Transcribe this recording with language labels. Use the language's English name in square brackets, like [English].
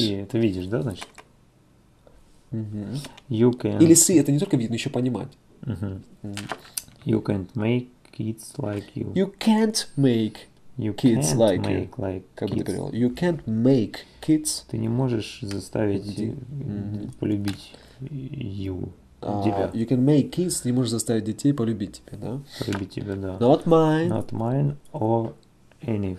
[English] See, [Russian] это видишь, да, значит? Uh-huh. [English] You can... [Russian] Или see, это не только видно, еще понимать. Uh-huh. [English] You can't make kids like you. You can't make... You can't like make you. Like [Russian] как kids. Ты говорил? [English] You can't make kids. [Russian] Ты не можешь заставить mm-hmm. полюбить you. Тебя. [English] You can make kids, [Russian] не можешь заставить детей полюбить тебя, да? Полюбить тебя, да. [English] Not mine. Not mine or any.